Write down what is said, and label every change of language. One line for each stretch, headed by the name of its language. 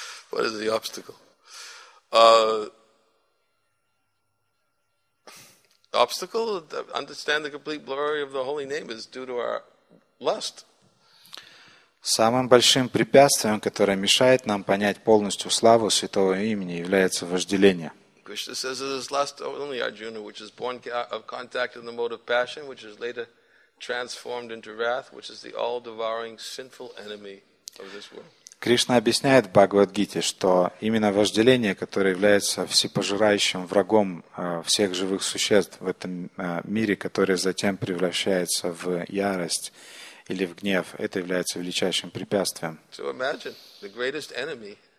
English: What is the obstacle? Obstacle to understand the complete glory of the Holy Name is due to our lust.
Russian: Самым большим препятствием, которое мешает нам понять полностью славу Святого Имени, является вожделение.
English: Krishna says it is lust only, Arjuna, which is born of contact in the mode of passion, which is later transformed into wrath, which is the all-devouring sinful enemy of this world.
Russian: Кришна объясняет в Бхагавад-гите, что именно вожделение, которое является всепожирающим врагом всех живых существ в этом мире, которое затем превращается в ярость или в гнев, это является величайшим препятствием.
English: So imagine, the greatest enemy.